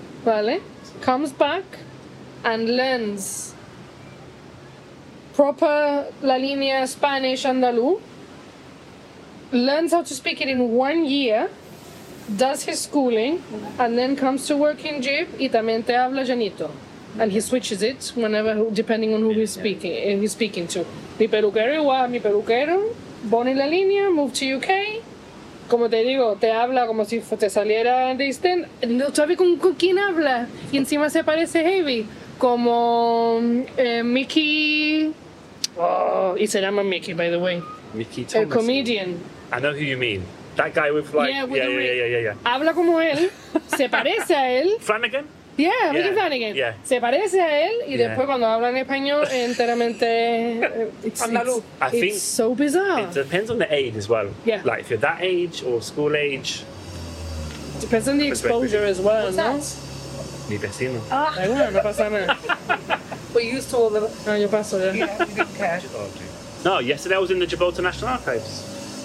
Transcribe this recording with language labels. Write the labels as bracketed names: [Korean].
[English] Vale. Comes back and learns proper la línea Spanish andalú. Learns how to speak it in 1 year. Does his schooling and then comes to work in Jeep [Spanish] y también te habla llanito. [English] And he switches it whenever, depending on who he's speaking, he's speaking to. [Spanish] Mi peluquero igual, mi peluquero, [English] born in la línea, moved to UK. [Spanish] Como te digo, te habla como si te saliera de Eastern. No sabe con quién habla. Y encima se parece heavy. Como Mickey. Oh, y se llama Mickey, [English] by the way. [Spanish] Mickey Thomas. El comedian. [English] I know who you mean. That guy with like. Yeah. Habla como él. Se parece a él. Flanagan? Yeah, yeah. Mickey Flanagan. Yeah. [Spanish] Se parece a él y después cuando habla en español es enteramente andaluz. [English] It's so bizarre. It depends on the age as well. Yeah. Like if you're that age or school age. Depends on the exposure as well. What's no? That? [Spanish] Mi vecino. Ah. Ay, bueno, no pasa nada. [English] We're used to all the. [Spanish] No, yo paso ya. [English] Yeah, you don't care. No, yesterday I was in the Gibraltar National Archives.